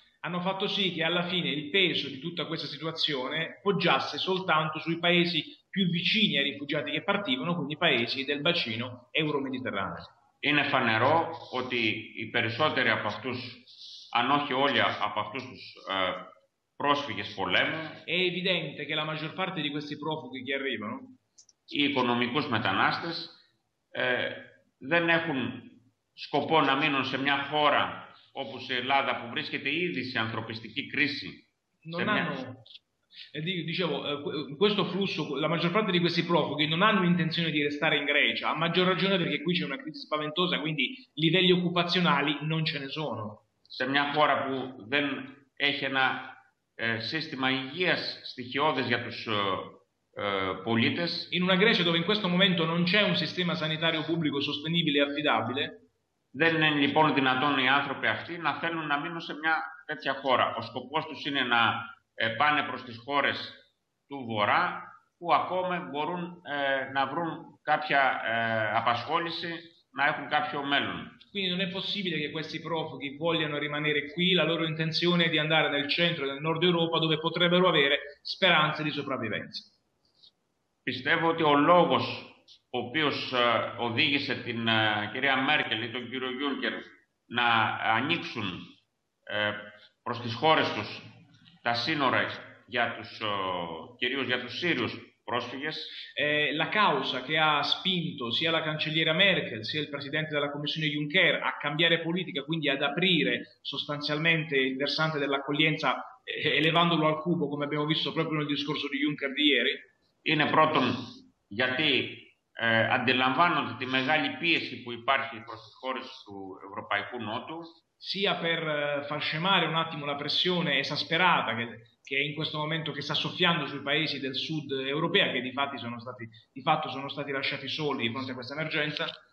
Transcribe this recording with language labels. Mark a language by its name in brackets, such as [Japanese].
[Italian] Hanno fatto sì che alla fine il peso di tutta questa situazione poggiasse soltanto sui paesi più vicini ai rifugiati che partivano, quindi i paesi del bacino euro-mediterraneo. [Greek] Είναι φανερό ότι οι περισσότεροι από αυτούς, αν όχι όλοι από αυτούς τους πρόσφυγες πολέμου, [Italian] è evidente che la maggior parte di questi profughi che arrivano, [Greek] οι οικονομικούς μετανάστες, δεν έχουν σκοπό να μείνουν σε μια χώρα όπως η Ελλάδα που βρίσκεται ήδη σε ανθρωπιστική κρίση. [Italian] Non hanno, dicevo, questo flusso, la maggior parte di questi profughi non hanno intenzione di restare in Grecia, a maggior ragione perché qui c'è una crisi spaventosa, quindi livelli occupazionali non ce ne sono. [Greek] Σε μια χώρα που δεν έχει ένα σύστημα υγείας στοιχειώδες για τους πολίτες. [Italian] In una Grecia dove in questo momento non c'è un sistema sanitario pubblico sostenibile e affidabile. [Greek] Δεν είναι λοιπόν δυνατόν οι άνθρωποι αυτοί να θέλουν να μείνουν σε μια τέτοια χώρα. Ο σκοπός τους είναι να πάνε προς τις χώρες του Βορρά που ακόμα μπορούν να βρουν κάποια απασχόληση, να έχουν κάποιο μέλλον. [Italian] Quindi non è possibile che questi profughi vogliano rimanere qui, la loro intenzione è di andare nel centro del nord Europa dove potrebbero avere speranze di sopravvivenza. [Greek] Πιστεύω ότι ο λόγος ο οποίος οδήγησε την κυρία Μέρκελ ή τον κύριο Γιούνκερ να ανοίξουν προς τις χώρες τους τα σύνορα για τους κυρίως για τους Σύριους πρόσφυγες. [Italian] La causa che ha spinto sia la cancelliera Merkel sia il presidente della Commissione Juncker a cambiare politica, quindi ad aprire sostanzialmente il versante dell'accoglienza elevandolo al cubo, come abbiamo visto proprio nel discorso di Juncker di ieri. [Greek] Είναι πρώτον γιατί αντιλαμβάνονται τη μεγάλη πίεση που υπάρχει προς τις χώρες του Ευρωπαϊκού Νότου. [Italian] Sia per far scemare un attimo la pressione esasperata che è in questo momento che sta soffiando sui paesi del sud europea, che di fatto sono stati lasciati soli di fronte a questa emergenza.